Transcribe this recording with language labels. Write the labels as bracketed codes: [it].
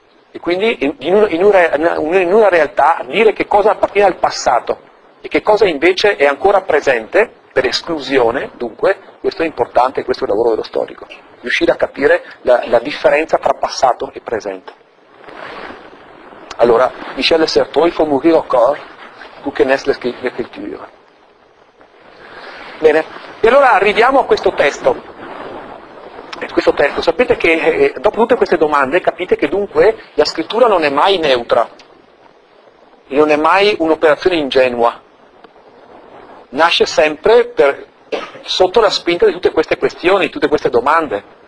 [it] E quindi in una realtà dire che cosa appartiene al passato e che cosa invece è ancora presente, per esclusione, dunque, questo è importante, questo è il lavoro dello storico. Riuscire a capire la differenza tra passato e presente. Allora, [fr] Michel Certeau, il faut mourir au corps pour que naisse l'écriture. [it] Bene, e allora arriviamo a questo testo. Questo testo, sapete che dopo tutte queste domande capite che dunque la scrittura non è mai neutra, non è mai un'operazione ingenua. Nasce sempre sotto la spinta di tutte queste questioni, di tutte queste domande.